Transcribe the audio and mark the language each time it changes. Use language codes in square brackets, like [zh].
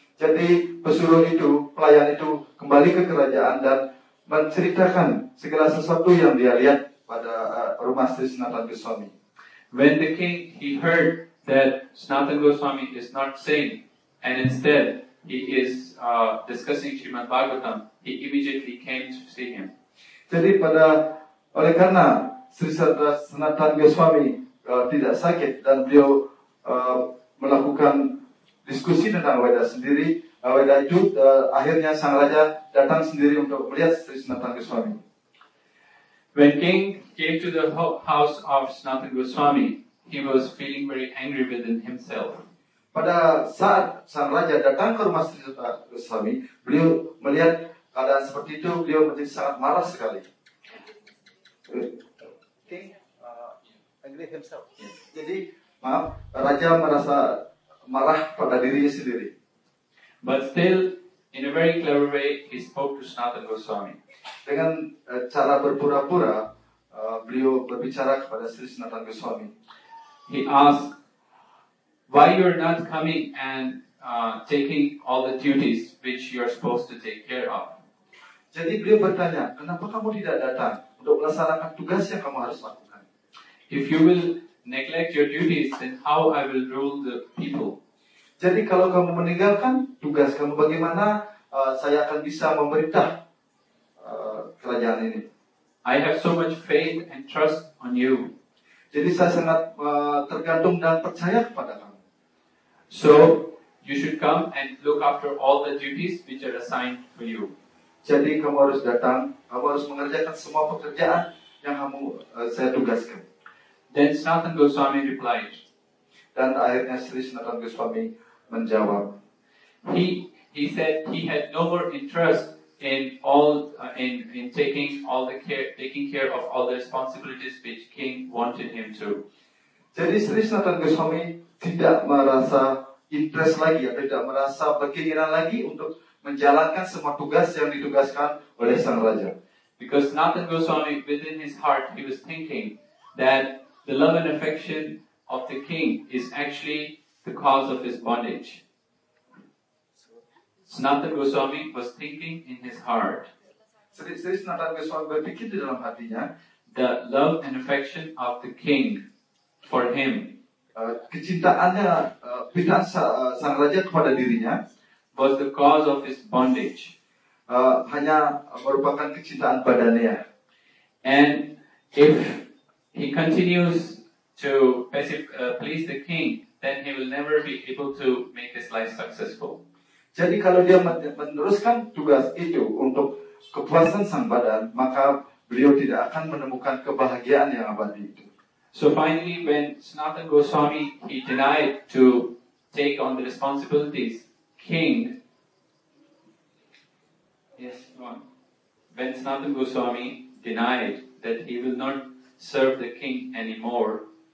[id] Jadi pesuruh itu, pelayan itu kembali ke kerajaan dan menceritakan segala sesuatu yang dia lihat pada rumah Sri Sanatana Goswami. [en] When the king, he heard that Sanatana Goswami is not sane and instead he is discussing Srimad Bhagavatam, he immediately came to see him. [id] Jadi pada, oleh karena Sri Sanatana Goswami tidak sakit dan beliau melakukan diskusi tentang Weda sendiri, Weda itu akhirnya sang raja datang sendiri untuk melihat Sri Sanatana Goswami. [en] When king came to the house of Sanatana Goswami, he was feeling very angry within himself. [id] Pada saat sang raja datang ke rumah Sri Sanatana Goswami, beliau melihat keadaan seperti itu, beliau menjadi sangat marah sekali. [en] Angry himself. [id] Jadi, maaf, raja merasa marah pada dirinya sendiri. [en] But still, in a very clever way, he spoke to Sanatana Goswami. [id] Dengan cara berpura-pura, beliau berbicara kepada Sri Sanatana Goswami. [en] He asked, why you are not coming and taking all the duties which you are supposed to take care of? [id] Jadi beliau bertanya, kenapa kamu tidak datang untuk melaksanakan tugas yang kamu harus lakukan? [en] If you will neglect your duties, then how I will rule the people? [id] Jadi kalau kamu meninggalkan tugas kamu, bagaimana saya akan bisa memerintah kerajaan ini? [en] I have so much faith and trust on you. [id] Jadi saya sangat tergantung dan percaya kepada kamu. [en] So you should come and look after all the duties which are assigned for you. [id] Jadi kamu harus datang, kamu harus mengerjakan semua pekerjaan yang kamu saya tugaskan. [en] Then Sanatana Goswami replied. [id] Dan akhirnya Sri Sanatana Goswami menjawab. [en] He said he had no more interest in all in taking all the care, taking care of all the responsibilities which king wanted him to. [id] Jadi Sri Sanatana Goswami tidak merasa interest lagi atau tidak merasa berkeinginan lagi untuk menjalankan semua tugas yang ditugaskan oleh sang raja. [en] Because Sanatana Goswami, within his heart, he was thinking that the love and affection of the king is actually the cause of his bondage. Sanatana Goswami was thinking in his heart. [id] Sri Sanatana Goswami berpikir di dalam hatinya, [en] the love and affection of the king for him, [id] kecintaannya, pindah sang raja kepada dirinya, [en] was the cause of his bondage. [id] Hanya merupakan kecintaan badannya. [en] And if he continues to please the king, then he will never be able to make his life successful. [id] Jadi kalau dia meneruskan tugas itu untuk kepuasan sang badan, maka beliau tidak akan menemukan kebahagiaan yang abadi itu. [en] So finally, when Sanatana Goswami, he denied to take on the responsibilities, king, yes, when Sanatana Goswami denied that he will not serve the king anymore.